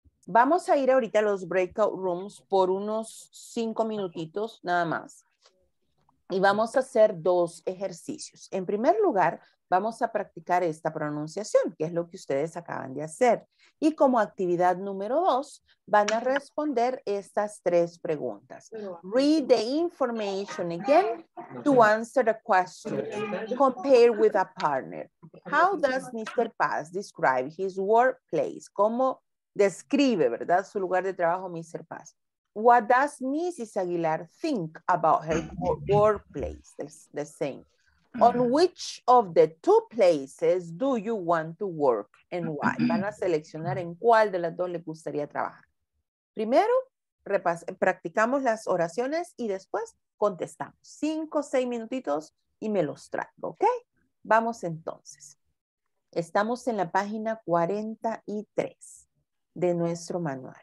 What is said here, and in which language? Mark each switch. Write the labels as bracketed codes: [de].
[es] vamos a ir ahorita a los breakout rooms por unos 5 minutitos nada más. Y vamos a hacer 2 ejercicios. En primer lugar, vamos a practicar esta pronunciación, que es lo que ustedes acaban de hacer. Y como actividad número 2, van a responder estas 3 preguntas. [en] Read the information again to answer the question. Compare with a partner. How does Mr. Paz describe his workplace? [es] ¿Cómo describe, verdad, su lugar de trabajo, Mr. [en] Paz? What does Mrs. Aguilar think about her workplace? The same. On which of the 2 places do you want to work and why? [es] Van a seleccionar en cuál de las 2 les gustaría trabajar. Primero, practicamos las oraciones y después contestamos. 5 o 6 minutitos y me los traigo, ¿ok? Vamos entonces. Estamos en la página 43 de nuestro manual.